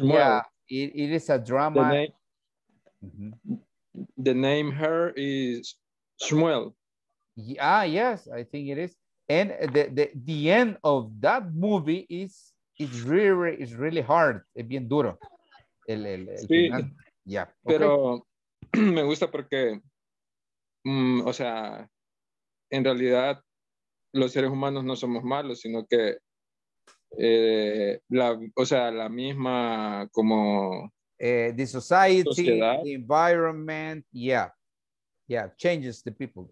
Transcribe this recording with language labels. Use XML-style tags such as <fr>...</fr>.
<en>Small. Yeah, it is a drama. The name, mm-hmm, the name her is Shmuel. Yeah, yes, I think it is. And the end of that movie is really hard.</en> <es>Es bien duro. El sí.</es> <en>Final. Yeah.</en> <es>Pero okay. Me gusta porque, o sea, en realidad los seres humanos no somos malos, sino que la misma como</es> <en>The society, sociedad, the environment, yeah, changes the people.</en>